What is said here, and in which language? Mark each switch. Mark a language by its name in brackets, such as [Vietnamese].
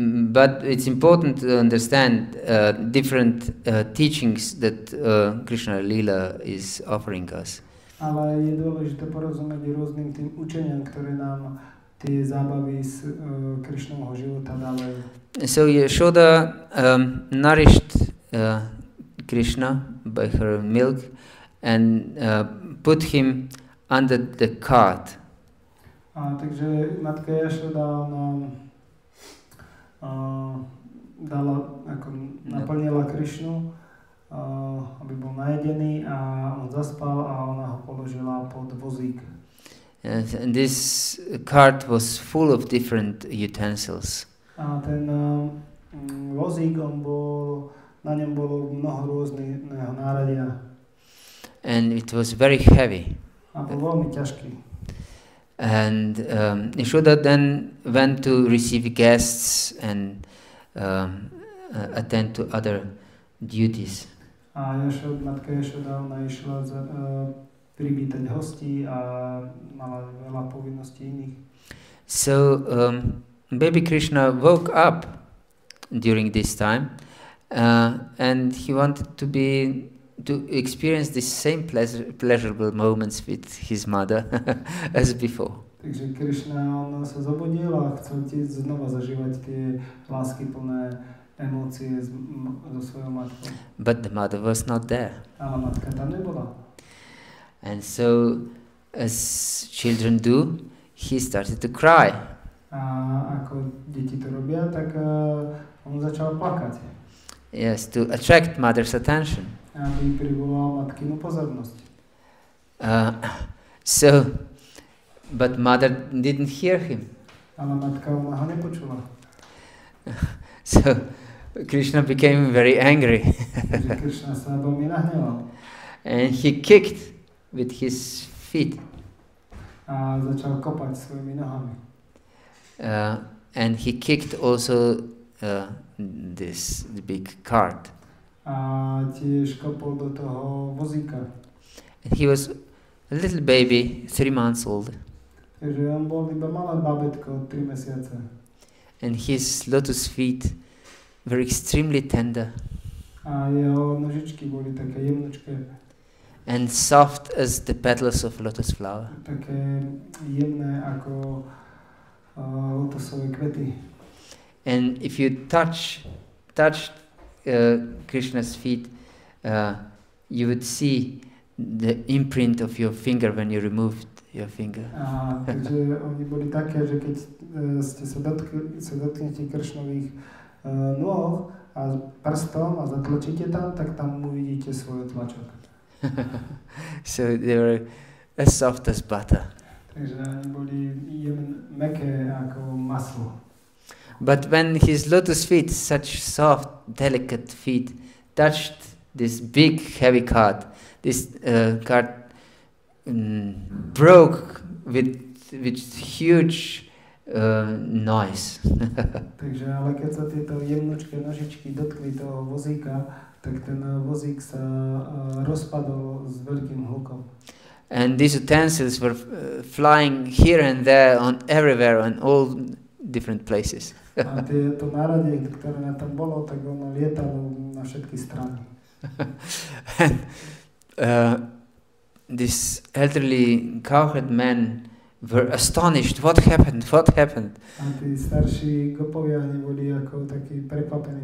[English] But it's important to understand different teachings that Krishna Lila is offering us. [Slovak] Ale je dôležité porozumieť rôznym tým učeniam, ktoré nám tie zábavy z Krishnovho života dávajú. [English] So Yashoda nourished Krishna by her milk and put him under the cart. [Slovak] A takže matka Yashoda nám dala, ako naplnila Krishnu, aby bol najedený a on zaspal a ona ho položila pod vozík. [English] Yes, and this cart was full of different utensils. [Slovak] A ten vozík, on bol, na ňom bolo mnoho rôzneho náradia. [English] And it was very heavy. [Slovak] A bol veľmi ťažký. [English] And Yashoda then went to receive guests and attend to other duties. [Slovak] A matka Yashoda, ona išla privítať hostí a mala veľa povinností iných. [English] So baby Krishna woke up during this time and he wanted to be to experience the same pleasurable moments with his mother as before. [Slovak] Takže Krishna, on sa zobudil a chcel tiež znova zažívať tie lásky plné emócie so svojou matkou. [English] But the mother was not there. [Slovak] Ale matka tam nebola. [English] And so, as children do, he started to cry. [Slovak] A ako deti to robia, tak on začal plakať. [English] Yes, to attract mother's attention. [Slovak] Aby privolal matkinu pozornosť. [English] But mother didn't hear him. [Slovak] Ale matka ho nepočula. [English] So, Krishna became very angry. [Slovak] Krishna sa veľmi nahneval. [English] And he kicked with his feet. [Slovak] A začal kopať svojimi nohami. [English] And he kicked also this big cart. [Slovak] A tiež kopol do toho vozíka. [English] And he was a little baby, 3 months old. [Slovak] Takže on bol iba malé babetko, 3 mesiace. [English] And his lotus feet were extremely tender. [Slovak] A jeho nožičky boli také jemnočké. [English] And soft as the petals of lotus flower. [Slovak] Také jemné ako lotosové kvety. [English] And if you touch Krishna's feet, you would see the imprint of your finger when you removed your finger. [Slovak] Takže oni boli také, že keď ste sa dotknete Krishnových nôh a prstom a zatlačíte tam, tak tam uvidíte svoj tlačok. [English] So they were as soft as butter. [Slovak] Takže boli mäkké ako maslo. [English] But when his lotus feet, such soft, delicate feet, touched this big, heavy cart, this cart broke with huge noise. [Slovak] Takže ale keď sa tieto jemnočké nožičky dotkli toho vozíka, tak ten vozík sa rozpadol s veľkým hlukom. [English] And these utensils were flying here and there, on everywhere, on all different places. [Slovak] A tieto náradie, ktoré na tom bolo, tak ono lietalo na všetky strany. [English] And, this elderly cowherd men were astonished. What happened? What happened? [Slovak] A tí starší gopovia boli ako takí prekvapení.